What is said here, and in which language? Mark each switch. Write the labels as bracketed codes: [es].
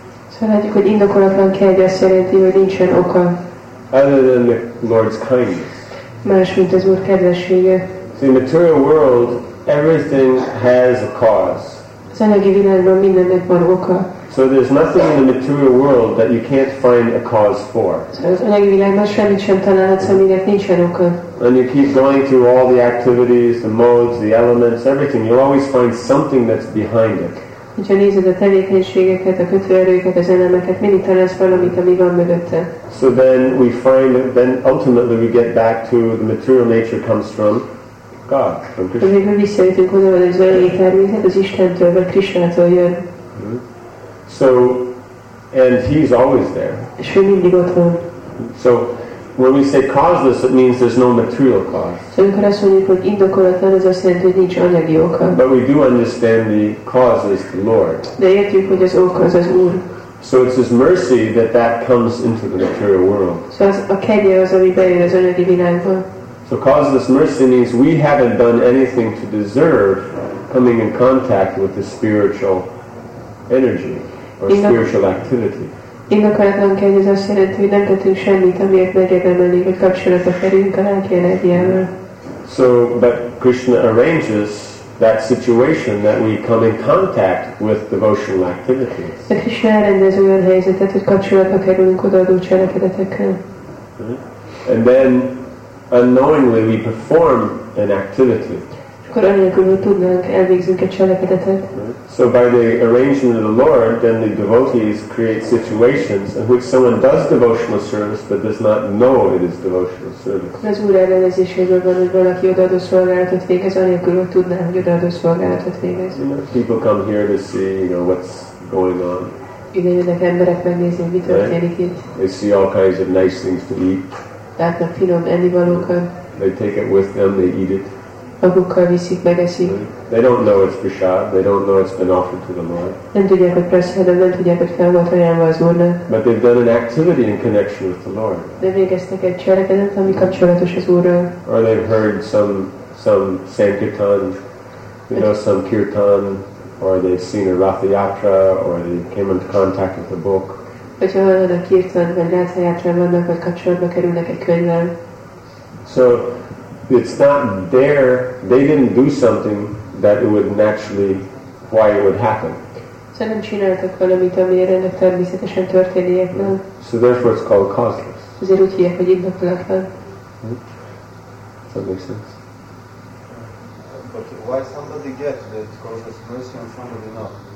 [hu] Szóval látjuk, hogy indokolatlan kegy azt jelenti, hogy nincsen oka. [en] Other than the Lord's kindness. [hu] Más, mint az Úr kedvessége. [en] See, in the material world, everything has a cause. [hu] Az anyagi világban mindennek van oka. [en] So there's nothing in the material world that you can't find a cause for. [hu] Az anyagi világban semmit sem találhatsz, aminek nincsen oka. [en] And you keep going through all the activities, the modes, the elements, everything. You'll always find something that's behind it. [hu] Hogyha nézed a tevékenységeket, a kötőerőket, az elemeket, mindig találsz valamit, ami van mögötte. [en] So then ultimately we get back to the material nature comes from God, from Krishna. [hu] Azért, hogy visszajöttünk oda, hogy az anyagi természet az Istentől, vagy Krishnától jön. [en] So, and he's always there. [hu] És ő mindig ott van. [en] So, when we say causeless, it means there's no material cause. [hu] So, amikor azt mondjuk, hogy indokolatlan, az azt jelenti, hogy nincs anyagi oka. [en] But we do understand the cause is the Lord. [hu] De értjük, hogy az oka az Úr. [en] So it's his mercy that comes into the material world. [hu] So az a kegye az, ami bejön az anyagi világba. [en] So causeless mercy means we haven't done anything to deserve coming in contact with the spiritual energy or spiritual activity. [hu] Indokolatlan kegye az azt jelenti, hogy nem tettünk semmit, amiért megérdemelnék, hogy kapcsolatba kerüljünk a lelki energiával. [en] So, but Krishna arranges that situation that we come in contact with devotional activities. [hu] De Krishna elrendez olyan helyzetet, hogy kapcsolatba kerülünk odaadó cselekedetekkel. [en] And then, unknowingly, we perform an activity. [hu] Akkor anélkül, hogy tudnánk, elvégzünk egy cselekedetet. [en] So by the arrangement of the Lord, then the devotees create situations in which someone does devotional service but does not know it is devotional service. [hu] Az Úr elrendezéséből van, hogy valaki odaadó szolgálatot végez, anélkül, hogy tudná, hogy odaadó szolgálatot végez. [en] People come here to see, you know, what's going on. [hu] Ide jönnek emberek megnézni, mi történik itt. [en] They see all kinds of nice things to eat. [hu] Látnak finom ennivalókat. [en] They take it with them, they eat it. [hu] Magukkal viszik, megeszik. [en] They don't know it's prasad, they don't know it's been offered to the Lord. [hu] Nem tudják, hogy prasad, nem tudják, hogy fel volt ajánlva az Úrnak. [en] But they've done an activity in connection with the Lord. [hu] De végeztek egy cselekedetet, ami kapcsolatos az Úrral. [en] Or they've heard some sankirtan, you know, some kirtan, or they've seen a rathayatra, or they came into contact with the book. [hu] Hogyha van a kirtan, vagy rathayatra vannak, vagy kapcsolatba kerülnek egy könyvvel. [en] So, it's not there, they didn't do something that it would naturally, why it would happen. [hu] So nem csináltak valamit, amiért ennek természetesen történnie kell. [en] So therefore it's called causeless. [hu] Azért úgy hívják, hogy indokolatlan. [en] Does that make sense? But why somebody get that causeless mercy and somebody not?